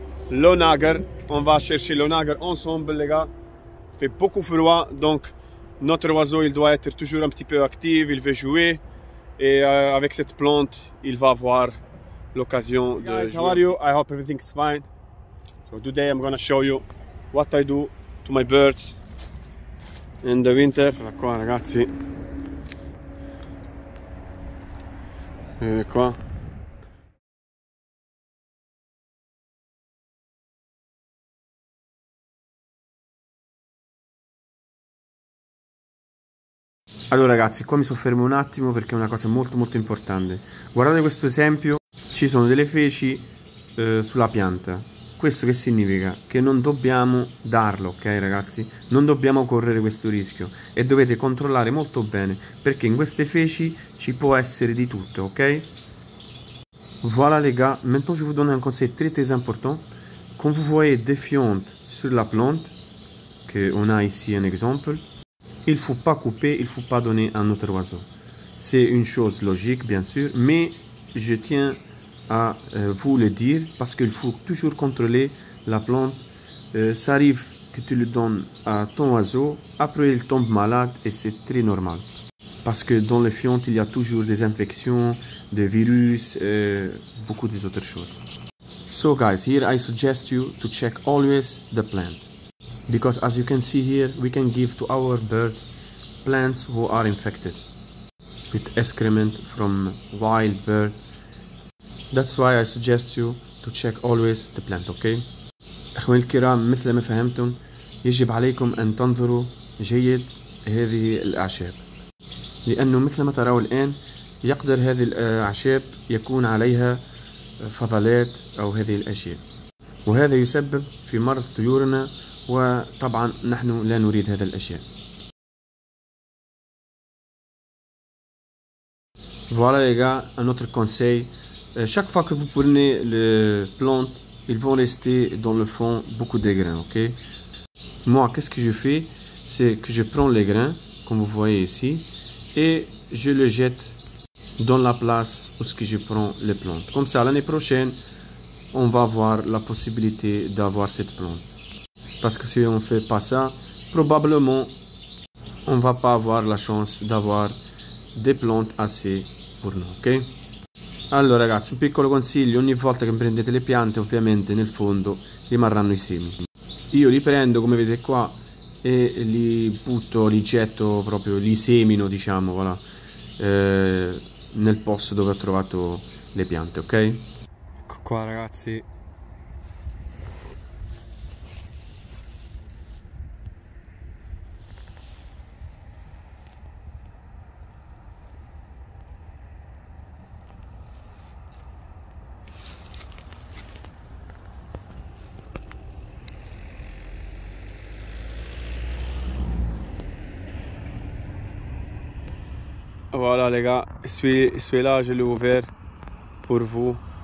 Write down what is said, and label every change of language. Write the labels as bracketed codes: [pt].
[fr] L'onagre. On va chercher l'onagre ensemble, les gars. Fait beaucoup froid, donc notre oiseau, il doit être toujours un petit peu actif. Il veut jouer. Et avec cette plante, il va avoir l'occasion [en] Hey [fr] de [en] guys, how are [fr] jouer. [en] you? I hope everything's fine. So today, I'm gonna show you what I do to my birds in the winter. [it] Guarda qua ragazzi, vedete qua, allora ragazzi qua mi soffermo un attimo perché è una cosa molto importante. Guardate questo esempio, ci sono delle feci sulla pianta. Questo che significa? Che non dobbiamo darlo, ok ragazzi? Non dobbiamo correre questo rischio e dovete controllare molto bene perché in queste feci ci può essere di tutto, ok? [fr] Voilà les gars, maintenant je vous donne un conseil très très important. Comme vous voyez des fientes sur la plante, que on a ici un exemple, il faut pas couper, il faut pas donner à notre oiseau. C'est une chose logique, bien sûr, mais je tiens à vous le dire parce qu'il faut toujours contrôler la plante. Ça arrive que tu le donnes à ton oiseau, après il tombe malade et c'est très normal parce que dans les fientes il y a toujours des infections, des virus, beaucoup d'autres choses. [en] So guys, here I suggest you to check always the plant because as you can see here, we can give to our birds plants who are infected with excrement from wild birds. That's why I suggest you to check always the plant, okay? [ar] إخواني الكرام، مثل ما فهمتم، يجب عليكم أن تنظروا جيد هذه الأعشاب، لأنه مثل ما تروا الآن، يقدر هذه الأعشاب يكون عليها فضلات أو هذه الأشياء، وهذا يسبب في مرض طيورنا، وطبعاً نحن لا نريد هذه الأشياء. [fr] Voilà les gars, un autre conseil. Chaque fois que vous prenez les plantes, ils vont rester dans le fond beaucoup de grains, ok? Moi, qu'est-ce que je fais? C'est que je prends les grains, comme vous voyez ici, et je les jette dans la place où ce que je prends les plantes. Comme ça, l'année prochaine, on va avoir la possibilité d'avoir cette plante. Parce que si on ne fait pas ça, probablement, on ne va pas avoir la chance d'avoir des plantes assez pour nous, ok? [it] Allora ragazzi, un piccolo consiglio, ogni volta che prendete le piante ovviamente nel fondo rimarranno i semi. Io li prendo come vedete qua e li butto, li getto proprio, li semino diciamo, voilà, nel posto dove ho trovato le piante, ok? Qua ragazzi, ecco [fr] voilà les gars, celui-là je l'ai ouvert pour vous.